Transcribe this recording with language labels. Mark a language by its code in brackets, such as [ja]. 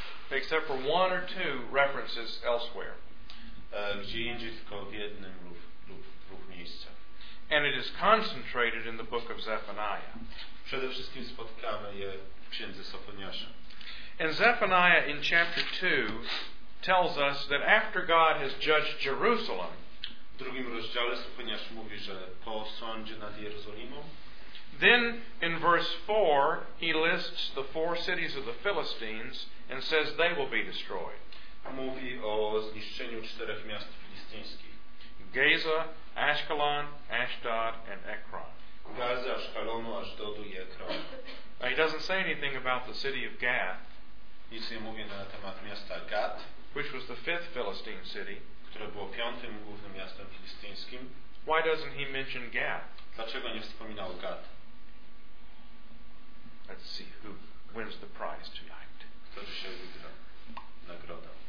[en] Except for one or two references elsewhere. [pl] Gdzie indziej tylko w jednym lub w dwóch miejscach. [en] And it is concentrated in the book of Zephaniah. [pl] Przede wszystkim spotkamy je w księdze Sofoniasza. [en] And Zephaniah in chapter 2 tells us that after God has judged Jerusalem, [pl] w drugim rozdziale Sofoniasz mówi, że po sądzie nad Jerozolimą, [en] then in verse 4 he lists the four cities of the Philistines and says they will be destroyed. [pl] Mówi o zniszczeniu czterech miast filistyńskich. [en] Gaza, Ashkelon, Ashdod and Ekron. [pl] Gaza, Ashkelonu, Ashdodu i Ekron. [en] Now, he doesn't say anything about the city of Gath. [pl] Nic nie mówi na temat miasta Gath, [en] which was the fifth Philistine city, [pl] które było piątym głównym miastem filistyńskim. [en] Why doesn't he mention Gath? [pl] Dlaczego nie wspominał Gat? [en] Let's see who wins the prize tonight. [pl] Kto dzisiaj wygra nagrodę?